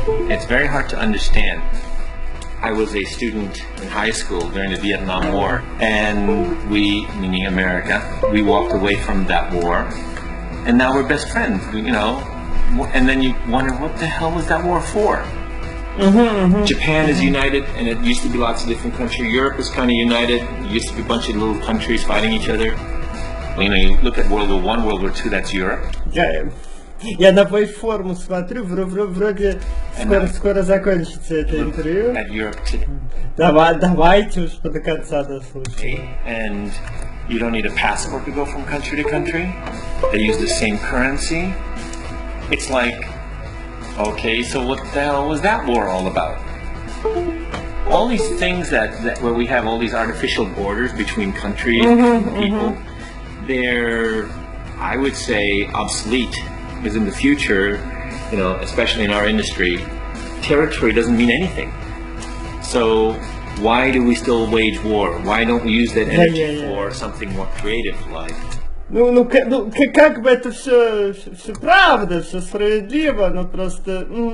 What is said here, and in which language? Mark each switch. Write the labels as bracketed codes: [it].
[en] It's very hard to understand. I was a student in high school during the Vietnam War, and we, meaning America, we walked away from that war, and now we're best friends, you know? And then you wonder, what the hell was that war for? Mm-hmm, mm-hmm. Japan is united, and it used to be lots of different countries. Europe is kind of united. It used to be a bunch of little countries fighting each other. You know, you look at World War I, World War II, that's Europe. [ru] Я на форму смотрю, вроде скоро закончится это интервью. [en] At Europe today. [ru] Давайте уж до конца дослушаем. [en] And you don't need a passport to go from country to country. They use the same currency. It's like, okay, so what the hell was that war all about? All these things that where we have all these artificial borders between countries and mm-hmm, people, mm-hmm. they're, I would say, obsolete. Because in the future, you know, especially in our industry, territory doesn't mean anything. So why do we still wage war? Why don't we use that energy for something more creative, like? [ru] Ну, как бы это все правда, все справедливо, но просто.